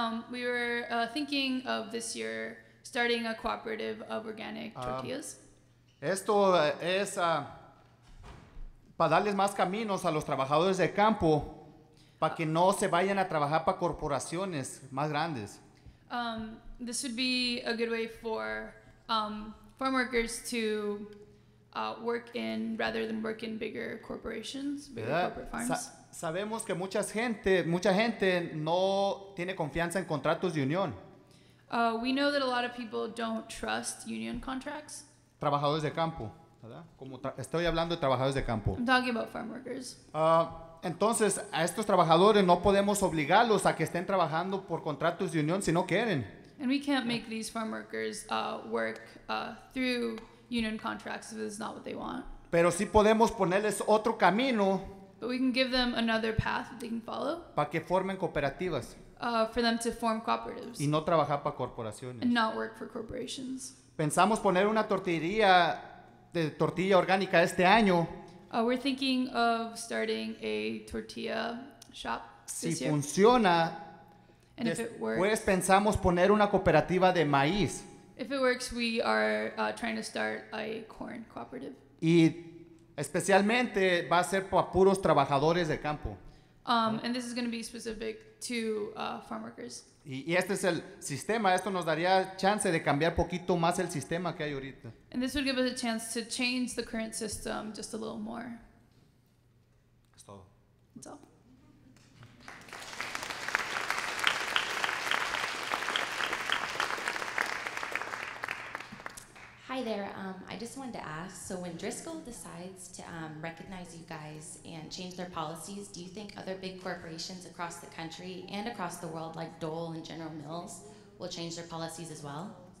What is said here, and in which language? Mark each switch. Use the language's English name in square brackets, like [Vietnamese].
[English] We were thinking of this year starting a cooperative of organic tortillas. [Spanish] Esto es para darles más caminos a los trabajadores de campo para que no se vayan a trabajar para corporaciones más grandes. [English] This would be a good way for farm workers to work in rather than work in bigger corporations, bigger corporate farms. [Spanish] Sabemos que mucha gente no tiene confianza en contratos de unión. [English] We know that a lot of people don't trust union contracts. [Spanish] Trabajadores de campo, ¿verdad? Estoy hablando de trabajadores de campo. [English] I'm talking about farm workers. [Spanish] Entonces, a estos trabajadores no podemos obligarlos a que estén trabajando por contratos de unión si no quieren. [English] And we can't make these farm workers work through union contracts if it's not what they want. [Spanish] Pero sí podemos ponerles otro camino. [English] But we can give them another path that they can follow. [Spanish] Para que formen cooperativas. [English] For them to form cooperatives. [Spanish] Y no trabajar para corporaciones. [English] And not work for corporations. [Spanish] Pensamos poner una tortillería de tortilla orgánica este año. [English] We're thinking of starting a tortilla shop this [Spanish] si [English] year. [Spanish] Si funciona. [English] And if it works. [Spanish] Pues pensamos poner una cooperativa de maíz. [English] If it works, we are trying to start a corn cooperative. [Spanish] Y especialmente va a ser para puros trabajadores de campo. [English] And this is going to be specific to farm workers. [Spanish] Y este es el sistema. Esto nos daría chance de cambiar poquito más el sistema que hay ahorita. [English] And this would give us a chance to change the current system just a little more. [Spanish] Es todo. [English] That's all. Hi there, I just wanted to ask, so when Driscoll decides to recognize you guys and change their policies, do you think other big corporations across the country and across the world, like Dole and General Mills, will change their policies as well?